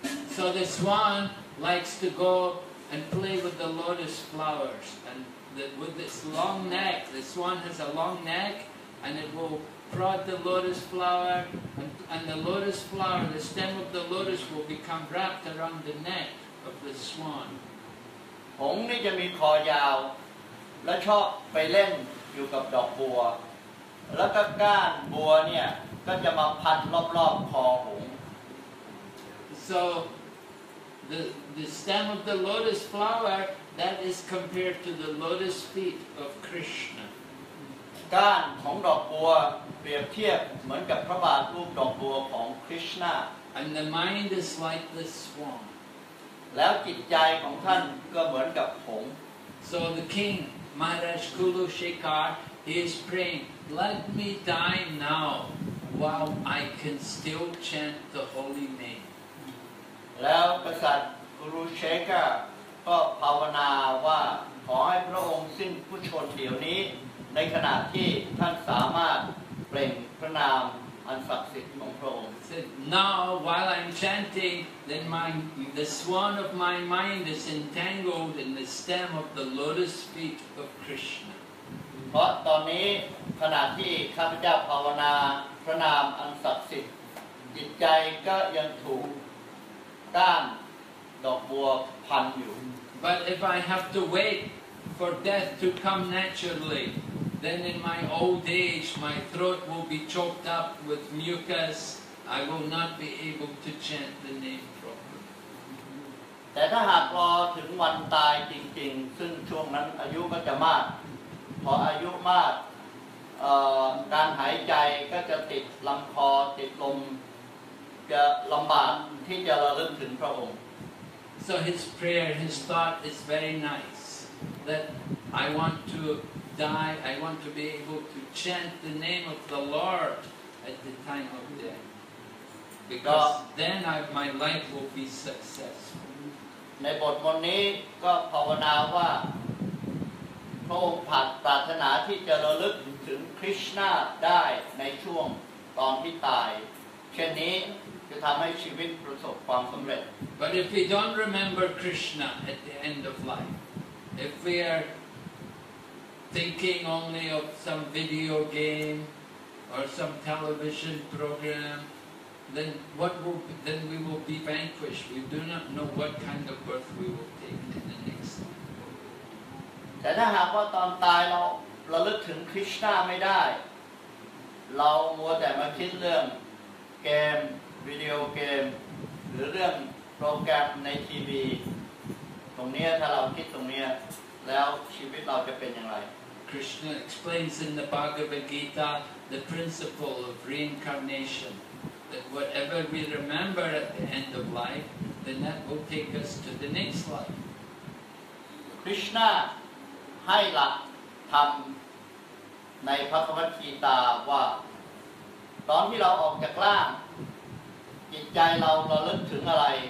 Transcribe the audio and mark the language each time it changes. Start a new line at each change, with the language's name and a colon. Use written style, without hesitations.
English: So the swan likes to go and play with the lotus flowers andwith this long neck, the swan has a long neck and it will prod the lotus flower and the lotus flower, the stem of the lotus will become wrapped around the neck of the swan.
Thai: หงส์นี่จะมีคอยาวและชอบไปเล่นอยู่กับดอกบัวแล้วก็ก้านบัวเนี่ยก็จะมาพันรอบๆคอหง
English: ส์ So the stem of the lotus flowerThat is compared to the lotus feet of Krishna.
Thai: ก้านของดอกบัวเปรียบเทียบเหมือนกับพระบาทรูปดอกบัวของ Krishna.
English: And the mind is like the swan.
Thai: แล้วจิตใจของท่านก็เหมือนกับหง
English: So the king, Maharaj Kulushekhar, he is praying, "Let me die now, while I can still chant the holy name."
Thai: แล้วกษัตริย์ Kulushekhar. ก็ภาวนาว่าขอให้พระองค์สิ้นพุชนเดี๋ยวนี้ในขณะที่ท่านสามารถเปล่งพระนามอันศักดิ์สิทธิ์ของพระองค์
English: Now while I'm chanting then the swan of my mind is entangled in the stem of the lotus feet of Krishna
Thai: เพราะตอนนี้ขณะที่ข้าพเจ้าภาวนาพระนามอันศักดิ์สิทธิ์จิตใจก็ยังถูกต้านดอกบัวพันอยู่
English: But if I have to wait for death to come naturally, then in my old age my throat will be choked up with mucus. I will not be able to chant the name properly.
Thai: แต่ถ้าหากรอถึงวันตายจริงๆซึ่งช่วงนั้นอายุก็จะมากพออายุมากการหายใจก็จะติดลำคอติดลมจะลำบากที่จะระลึกถึงพระองค์
English: So his prayer, his thought is very nice that I want to die, I want to be able to chant the name of the Lord at the time of death. Because then my life will be successful.
Thai: ในบทมนต์นี้ก็ภาวนาว่าพระองค์ผัดปรารถนาที่จะระลึกถึงคริสต์นาได้ในช่วงตอนที่ตายเช่นนี้จะทำให้ชีวิตประสบความสำเร็จ
English: But if we don't remember Krishna at the end of life, if we are thinking only of some video game or some television program, then we will be vanquished. We do not know what kind of birth we will take in the next life.
Thai: แต่ถ้าหากว่าตอนตายเราลึกถึงคริสต์นาไม่ได้เรามัวแต่มาคิดเรื่องเกมวิดีโอเกมหรือเรื่องโปรแกรมในทีวีตรงนี้ถ้าเราคิดตรงนี้แล้วชีวิตเราจะเป็นอย่างไร
English: Krishna explains in the Bhagavad Gita the principle of reincarnation that whatever we remember at the end of life then that will take us to the next life
Thai: Krishna ให้หลักธรรมในพระธรรมกีตาว่าตอนที่เราออกจากร่างจิตใจเราระลึกถึงอะไร